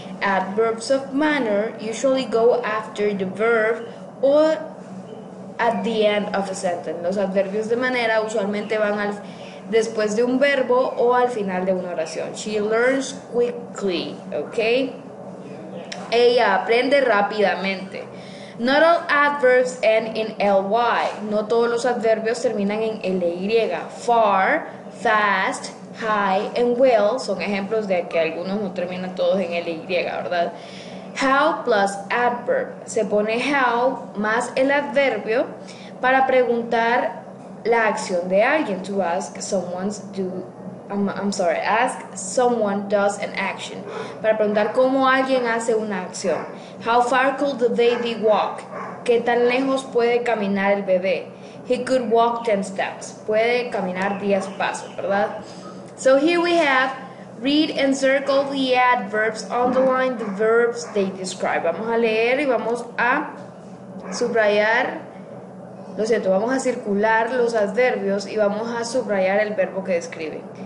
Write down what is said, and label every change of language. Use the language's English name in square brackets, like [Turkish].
[English] Adverbs of manner usually go after the verb or at the end of a sentence. [Spanish] Los adverbios de manera usualmente van al después de un verbo o al final de una oración. [English] She learns quickly, okay? [Spanish] Ella aprende rápidamente. [English] Not all adverbs end in ly. [Spanish] No todos los adverbios terminan en ly. [English] Far, fast, high, and well [Spanish] son ejemplos de que algunos no terminan todos en ly, ¿verdad? [English] How plus adverb. [Spanish] Se pone how más el adverbio para preguntar la acción de alguien. [English] To ask someone's do. Ask someone does an action. [Spanish] Para preguntar cómo alguien hace una acción. [English] How far could the baby walk? [Spanish] ¿Qué tan lejos puede caminar el bebé? [English] He could walk 10 steps. [Spanish] Puede caminar 10 pasos, ¿verdad? [English] So here we have, read and circle the adverbs, underline the verbs they describe. [Spanish] Vamos a leer y vamos a subrayar. Lo siento, vamos a circular los adverbios y vamos a subrayar el verbo que describe.